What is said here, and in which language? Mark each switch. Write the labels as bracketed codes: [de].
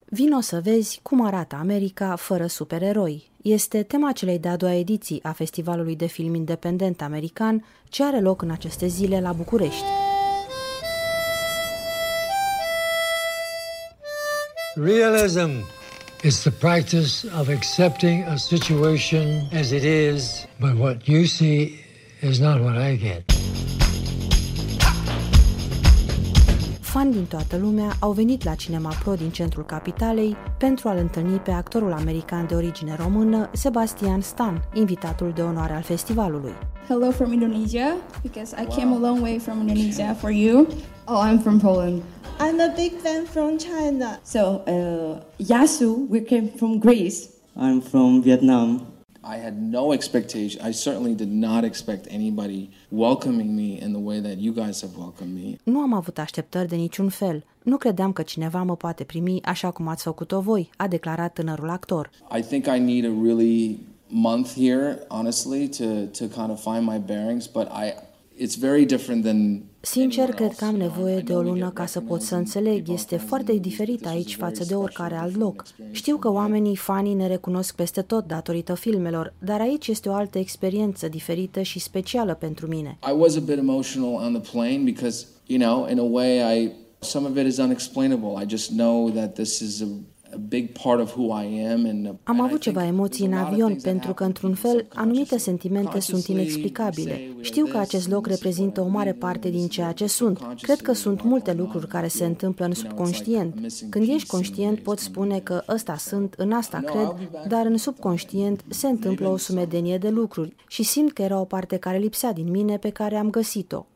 [ro] Vino să vezi cum arată America fără supereroi. Este tema celei de-a doua ediții a Festivalului de Film Independent American, ce are loc în aceste zile la București. [en] Realism is the practice of accepting a situation as it is, but what you see is not what I get. [ro] Fani din toată lumea au venit la Cinema Pro din centrul capitalei pentru a-l întâlni pe actorul american de origine română, Sebastian Stan, invitatul de onoare al festivalului. [en] Hello from Indonesia, because I came a long way from Indonesia for you. Oh, I'm from Poland. I'm a big fan from China. So, Yasu, we came from Greece. I'm from Vietnam. I had no expectation. I certainly did not expect anybody welcoming me in the way that you guys have welcomed me. [ro] Nu am avut așteptări de niciun fel. Nu credeam că cineva mă poate primi așa cum ați făcut-o voi, a declarat tânărul actor. [en] I think I need a really month here, honestly, to kind of find my bearings, but it's very different than. [ro] Sincer, cred că am nevoie de o lună ca să pot să înțeleg. Este foarte diferit aici față de oricare alt loc. Știu că oamenii, fanii, ne recunosc peste tot datorită filmelor, dar aici este o altă experiență diferită și specială pentru mine. [en] I was a bit emotional on the plane because, you know, in a way, some of it is unexplainable. I just know that this is a big part of who I am and [ro] am avut ceva emoții în avion pentru că într-un fel anumite sentimente sunt inexplicabile. Știu că acest loc reprezintă o mare parte din ceea ce sunt. Cred că sunt multe lucruri care se întâmplă în subconștient. Când ești conștient, poți spune că ăsta sunt, în asta cred, dar în subconștient se întâmplă o sumedenie de lucruri și simt că era o parte care lipsea din mine pe care am găsit-o.